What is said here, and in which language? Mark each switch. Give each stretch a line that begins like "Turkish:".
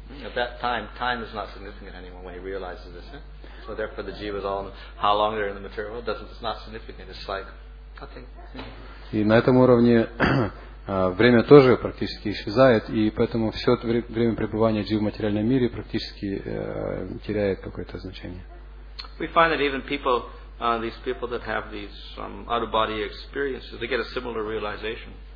English: At that time is not significant anymore when he realizes this. Eh? So therefore, the jivas all, how long they're in the material world, it's not significant. It's like nothing.
Russian: И на этом уровне время тоже практически исчезает, и поэтому все время пребывания джив в материальном мире практически теряет какое-то значение.
English: We find that even people, these people that have these out of body experiences, they get a similar realization.